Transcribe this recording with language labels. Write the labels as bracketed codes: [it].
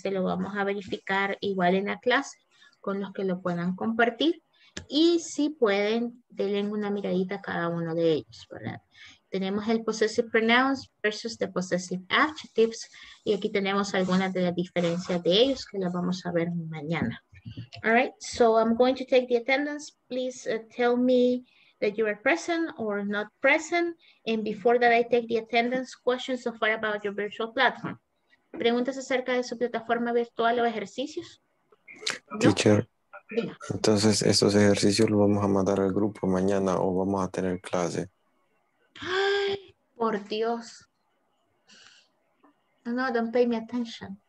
[es] Lo vamos a verificar igual en la clase con los que lo puedan compartir. Y si pueden, denle una miradita a cada uno de ellos, ¿verdad? Tenemos el [en] possessive pronouns versus the possessive adjectives. [es] Y aquí tenemos algunas de las diferencias de ellos que las vamos a ver mañana. [en] All right, so I'm going to take the attendance. Please tell me that you are present or not present. And before that, I take the attendance questions so far about your virtual platform. [es] ¿Preguntas acerca de su plataforma virtual o ejercicios? Teacher, entonces estos ejercicios los vamos a mandar al grupo mañana o vamos a tener clase. Ay, por Dios. [en] No, don't pay me attention.